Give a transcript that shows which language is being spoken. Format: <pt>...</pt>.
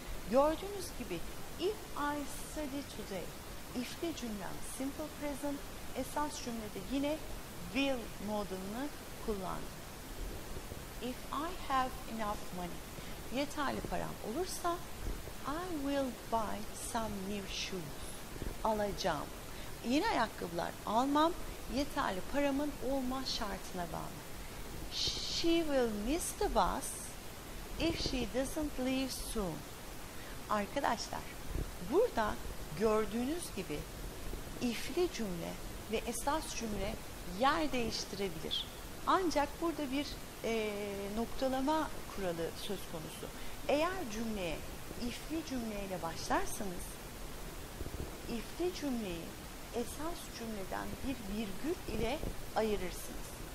<tr>Gördüğünüz gibi</tr> <en>if I study today,</en> <tr>ifli cümlem simple present, esas cümlede yine will modunu kullandım.</tr> <en>If I have enough money,</en> <tr>yeterli param olursa</tr> <en>I will buy some new shoes,</en> <tr>alacağım. Yeni ayakkabılar almam, yeterli paramın olma şartına bağlı.</tr> <en>She will miss the bus if she doesn't leave soon.</en> <tr>Arkadaşlar, burada gördüğünüz gibi ifli cümle ve esas cümle yer değiştirebilir. Ancak burada bir noktalama kuralı söz konusu. Eğer cümleye ifli cümleyle başlarsanız, ifli cümleyi esas cümleden bir virgül ile ayırırsınız.</tr>